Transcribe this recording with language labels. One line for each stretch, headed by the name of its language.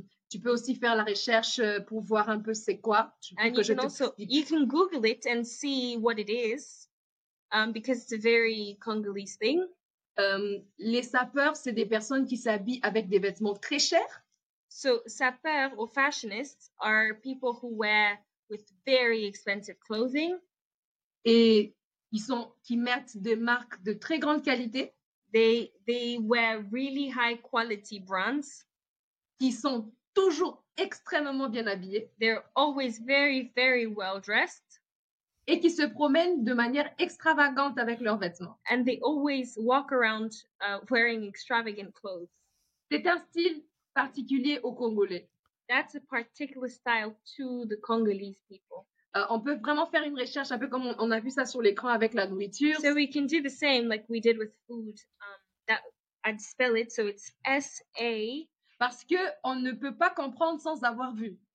French: Tu peux aussi faire la recherche pour voir un peu c'est quoi.
English: You can Google it and see what it is. Because it's a very Congolese thing.
French: Les sapeurs, c'est des personnes qui s'habillent avec des vêtements très chers.
English: So, sapeurs or fashionists are people who wear with very expensive clothing.
French: Et qui mettent des marques de très grande qualité.
English: They wear really high quality brands.
French: Qui sont toujours extrêmement bien habillés.
English: They're always very, very well dressed.
French: Et qui se promènent de manière extravagante avec leurs vêtements.
English: And they always walk around wearing extravagant clothes.
French: C'est un style particulier aux Congolais.
English: That's a particular style to the Congolese people.
French: On peut vraiment faire une recherche, un peu comme on a vu ça sur l'écran avec la nourriture.
English: So we can do the same like we did with food. I'd spell it, so it's S-A.
French: Parce qu'on ne peut pas comprendre sans avoir vu.